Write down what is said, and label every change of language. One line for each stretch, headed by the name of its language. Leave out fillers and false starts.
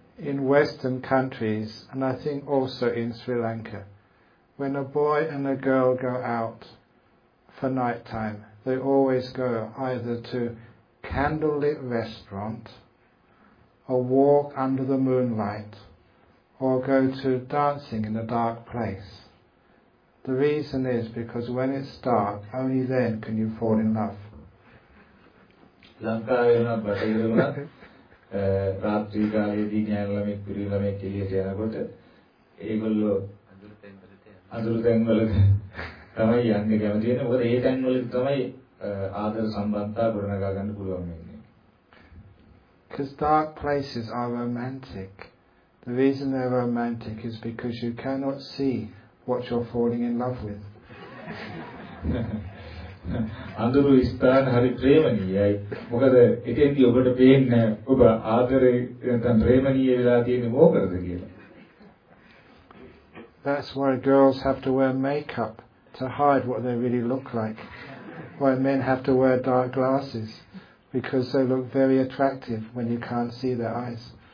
English: In Western countries and I think also in Sri Lanka when a boy and a girl go out for night time they always go either to candlelit restaurant a walk under the moonlight, or go to dancing in a dark place. The reason is because when it's dark, only then can you fall in love.
Sinhala: ලංකාවේ නම් බටහිර වුණත් රාත්‍රී කාලයේදී ගෑනු ළමෙක් පිරි ළමෙක් එළියට යනකොට ඒගොල්ලෝ අඳුරු තැන්වල තමයි යන්න කැමති වෙන්නේ. මොකද ඒ තැන්වල තමයි ආදර සම්බන්ධතා ගොඩනගා ගන්න පුළුවන් වෙන්නේ.
English: Because dark places are romantic. The reason they're romantic is because you cannot see what you're falling in love with.
Sinhala: අඳුරු ස්ථාන හරි ප්‍රේමණීයයි. මොකද එතෙන්දී ඔබට පේන්නේ ඔබ ආදරේ නැත්නම් ප්‍රේමණීය වෙලා තියෙන මොකද කියලා.
English: That's why girls have to wear makeup to hide what they really look like. Why men have to wear dark glasses. Because they look very attractive when you can't see their eyes.